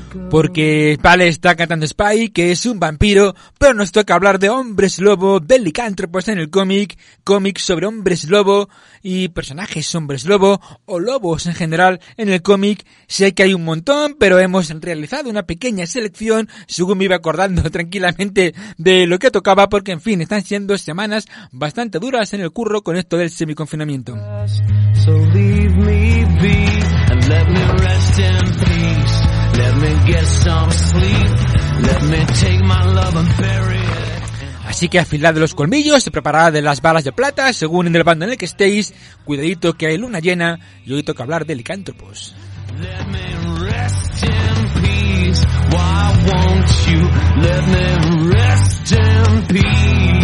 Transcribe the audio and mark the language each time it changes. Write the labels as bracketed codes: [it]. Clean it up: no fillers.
[es] Porque, vale, está cantando Spike, que es un vampiro, pero nos toca hablar de hombres lobo, de licántropos en el cómic, cómics sobre hombres lobo y personajes hombres lobo o lobos en general en el cómic. Sé que hay un montón, pero hemos realizado una pequeña selección, según me iba acordando tranquilamente de lo que tocaba, porque en fin, están siendo semanas bastante duras en el curro con esto del semiconfinamiento. [en] So leave me be and let me rest in peace. Let me get some sleep. Let me take my love and bury it. [es] Así que afilad los colmillos, preparad de las balas de plata, según en el bando en el que estéis. Cuidadito que hay luna llena y hoy toca hablar de licántropos. [en] Let me rest in peace. Why won't you let me rest in peace?